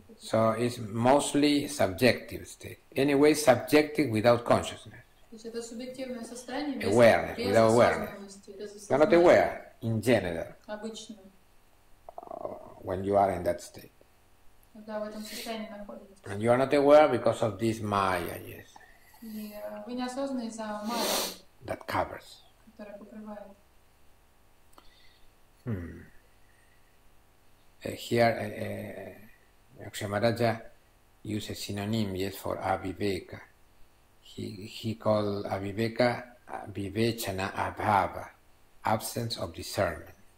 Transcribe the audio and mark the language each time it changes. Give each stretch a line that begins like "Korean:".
English: So it's mostly subjective state. Anyway, subjective without consciousness.
Russian: То есть это субъективное состояние без,
English: awareness,
Russian: без
English: without
Russian: осознанности.
English: You're not aware, in general.
Russian: Обычно.
English: When you are in that state.
Russian: Когда в этом состоянии находитесь.
English: And you are not aware because of this maya, yes.
Russian: И вы неосознаны из-за майя.
English: That covers.
Russian: Которая покрывает.
English: Here, Kṣemarāja uses synonym, yes, for avivēka. He called avivēka vivēchana abhava, absence of discernment.